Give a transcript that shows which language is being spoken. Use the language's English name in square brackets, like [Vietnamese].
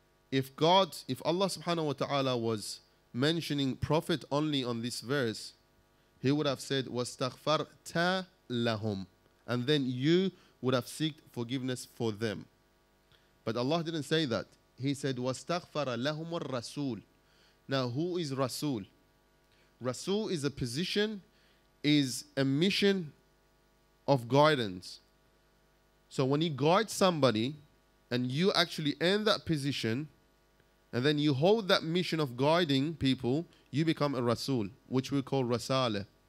[English] If God, if Allah subhanahu wa ta'ala was mentioning Prophet only on this verse, He would have said, [Arabic] وَاسْتَغْفَرْتَ لَهُمْ, [English] and then you would have seeked forgiveness for them. But Allah didn't say that. He said, [Arabic] وَاسْتَغْفَرَ لَهُمُ الرَّسُولُ. [English] Now, who is Rasul? Rasul is a position, is a mission of guidance. So when you guide somebody and you actually earn that position and then you hold that mission of guiding people, you become a Rasul, which we call Rasale.